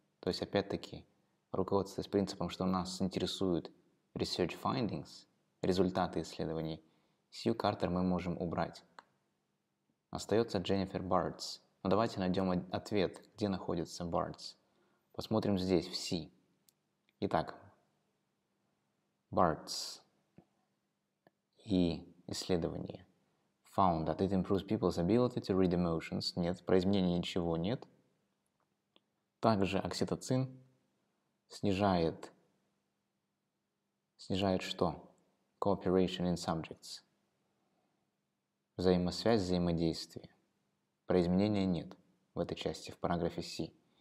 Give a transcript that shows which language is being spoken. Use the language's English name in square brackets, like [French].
[Russian] То есть, опять-таки, руководствуясь принципом, что нас интересуют [English] research findings, [Russian] результаты исследований, Сью Картер мы можем убрать. Остается Дженнифер Бардс. Но давайте найдем ответ, где находится Бардс. Посмотрим здесь, в C. Итак, Бардс и исследование. [English] Found that it improves people's ability to read emotions. [Russian] Нет, про изменения ничего нет. Также окситоцин снижает что? [English] Cooperation in subjects. [Russian] Взаимосвязь, взаимодействие. Про изменения нет в этой части, в параграфе C.